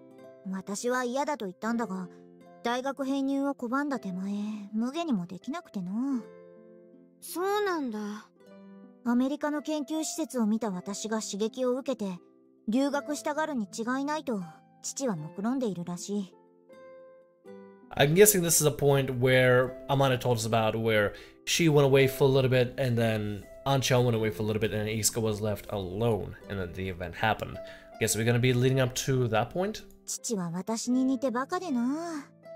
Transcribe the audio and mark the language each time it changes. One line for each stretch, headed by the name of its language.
Japanese: そしたら朝からやるよ。それは構わないのだが、私は手伝えないかもしれない。え、なんで?父の命令でな。大学へ行かないなら、せめて夏休みの間だけでも勉強してこいと、アメリカへ行くことになりそうなんだ。あっちの大学にある研究室に父の友人がいて、そこで手伝いでもしてこいと。私は嫌だと言ったんだが、 大学編入を拒んだ手前、無下にもできなくてな。そうなんだ。アメリカの研究施設を見た私が刺激を受けて、留学したがるに違いないと、父は目論んでいるらしい。
English: I'm guessing this is a point where Amane told us about where she went away for a little bit and then Anchan went away for a little bit and Isuke was left alone and then the event happened. Guess we're gonna be leading up to that point?
Japanese: 父は私に似てバカでな。